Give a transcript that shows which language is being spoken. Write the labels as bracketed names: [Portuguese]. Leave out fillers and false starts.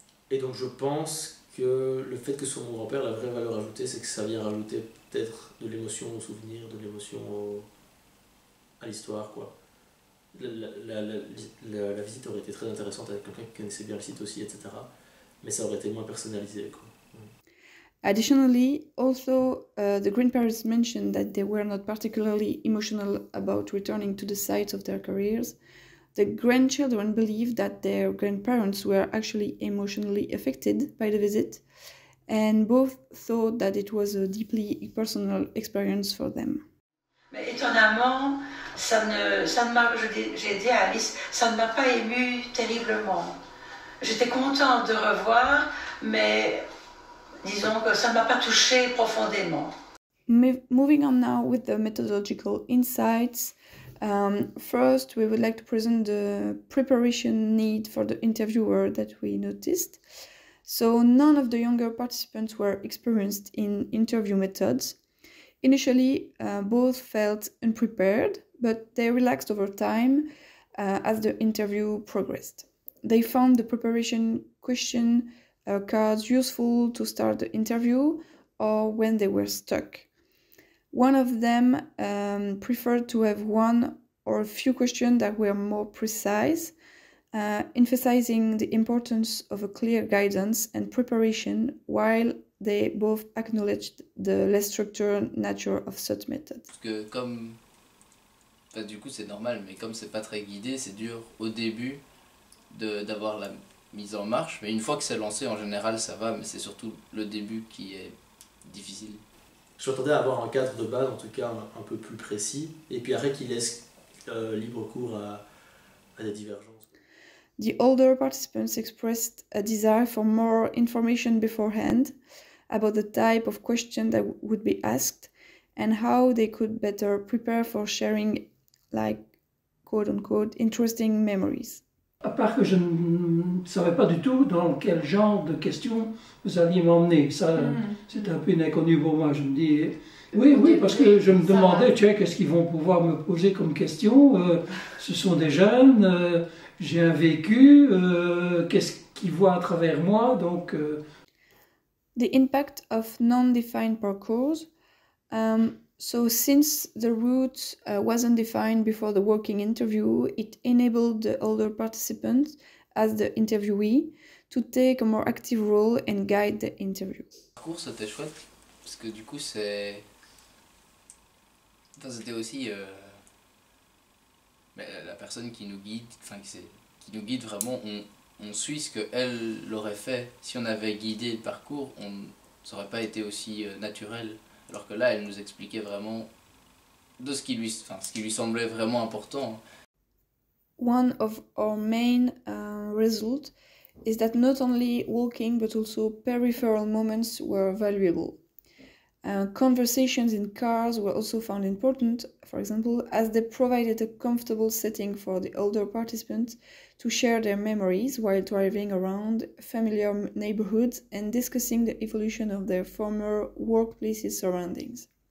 [French] Et donc, je pense que le fait que ce soit mon grand-père, la vraie valeur ajoutée, c'est que ça vient rajouter... peut-être de l'émotion au souvenir, de l'émotion à l'histoire, quoi. La visite aurait été très intéressante avec quelqu'un qui connaissait bien le site aussi, etc. Mais ça aurait été moins personnalisé, quoi. [English] Additionally, also, the grandparents mentioned that they were not particularly emotional about returning to the sites of their careers. The grandchildren believed that their grandparents were actually emotionally affected by the visit. And both thought that it was a deeply personal experience for them. [French] Mais étonnamment, ça ne m'a pas ému terriblement. J'étais contente de revoir, mais disons que ça ne m'a pas touché profondément. [English] Moving on now with the methodological insights. First, we would like to present the preparation need for the interviewer that we noticed. So none of the younger participants were experienced in interview methods. Initially, both felt unprepared, but they relaxed over time as the interview progressed. They found the preparation question cards useful to start the interview or when they were stuck. One of them preferred to have one or a few questions that were more precise, emphasizing the importance of a clear guidance and preparation, while they both acknowledged the less structured nature of such methods. [French] Parce que comme, enfin, du coup c'est normal, mais comme c'est pas très guidé, c'est dur au début d'avoir la mise en marche. Mais une fois que c'est lancé, en général ça va, mais c'est surtout le début qui est difficile. Je m'attendais à avoir un cadre de base, en tout cas un peu plus précis, et puis après qu'il laisse libre cours à des divergences. [English] The older participants expressed a desire for more information beforehand about the type of question that would be asked and how they could better prepare for sharing, like, quote-unquote, interesting memories. [French] À part que je ne savais pas du tout dans quel genre de questions vous alliez m'emmener. Ça, c'était un peu une inconnue pour moi. Je me dis, oui, parce que je me demandais, tu sais, qu'est-ce qu'ils vont pouvoir me poser comme question. Ce sont des jeunes, j'ai un vécu, qu'est-ce qu'ils voient à travers moi, donc... [English] The impact of non-defined parcours. So since the route wasn't defined before the working interview, it enabled the older participants, as the interviewee, to take a more active role and guide the interview. [French] Le parcours, c'était chouette, parce que du coup, c'était aussi la personne qui nous guide, enfin, qui nous guide vraiment. On suit ce qu'elle l'aurait fait. Si on avait guidé le parcours, on n'aurait pas été aussi naturel. Alors que là, elle nous expliquait vraiment de ce qui lui semblait vraiment important. [English] One of our main results is that not only walking, but also peripheral moments were valuable. Conversations in cars were also found important, for example, as they provided a comfortable setting for the older participants to share their memories while driving around familiar neighborhoods and discussing the evolution of their former workplaces surroundings.